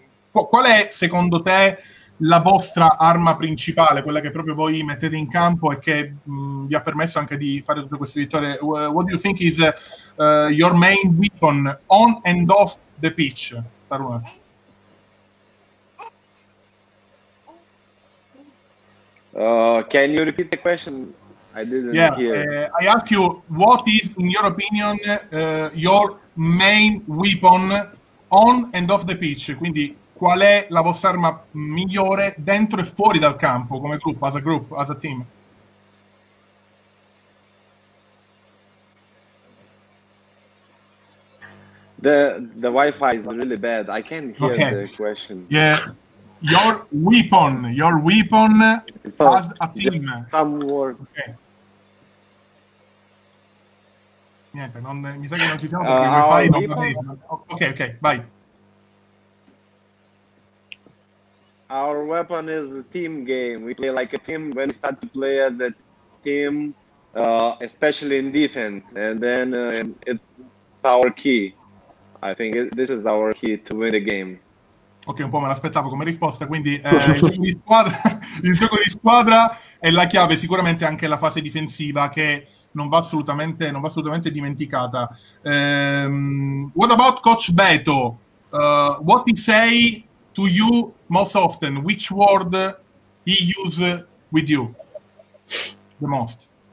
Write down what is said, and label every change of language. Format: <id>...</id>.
<it>Qual è secondo te la vostra arma principale, quella che proprio voi mettete in campo e che vi ha permesso anche di fare tutte queste vittorie?</it> <en>What do you think is your main weapon on and off the pitch, Saruna? Can you repeat the question? I didn't hear. I ask you, what is, in your opinion, your main weapon on and off the pitch?</en> <it>Quindi qual è la vostra arma migliore dentro e fuori dal campo come gruppo,</it> <en>as a group, as a team? The Wi-Fi is really bad. I can't hear the question. Yeah. Your weapon as a team. Just some words. Okay.</en> <it>Niente, non mi sa che non ci siamo perché il Wi-Fi non va bene. Ok, vai.</it> <en>Our weapon is a team game. We play like a team when we start to play as a team, especially in defense. And then it's our key. I think this is our key to win the game.</en> <it>Ok, un po' me l'aspettavo come risposta. Quindi il gioco di squadra è la chiave, sicuramente anche la fase difensiva che non va assolutamente dimenticata.</it> <en>What about Coach Beto? What he say to you most often, which word he use with you the most?</en>